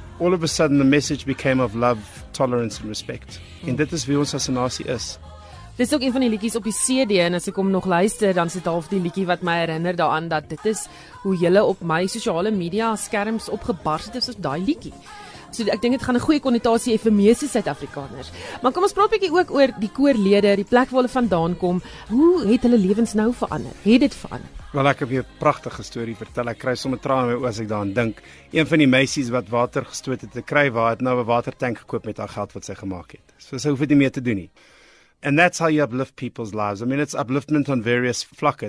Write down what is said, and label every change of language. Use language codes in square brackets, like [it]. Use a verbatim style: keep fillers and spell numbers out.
[en] All of a sudden the message became of love, tolerance and respect. [af] En dit is wie ons as 'n nasie is. Dis ook een van die liedjies op die C D en as ek hom nog luister, dan sit half die liedjie wat my herinner daaraan dat dit is hoe julle op my sosiale media skerms opgebars het, soos daai liedjie. So ek dink dit gaan 'n goeie konnotasie hê vir meeste Suid-Afrikaners. Maar kom ons praat 'n bietjie ook oor die koorlede, die plek waar hulle vandaan kom. Hoe het hulle lewens nou verander? Het dit verander? Wel, ek het 'n pragtige storie vertel. Ek kry sommer trane in my oë as ek daaraan dink. Een van die meisies wat water gestoot het te kry, waar het nou 'n watertank gekoop met haar geld wat sy gemaak het. So sy hoef dit nie meer te doen nie. [en] And that's how you uplift people's lives. I mean, it's upliftment on various vlakke.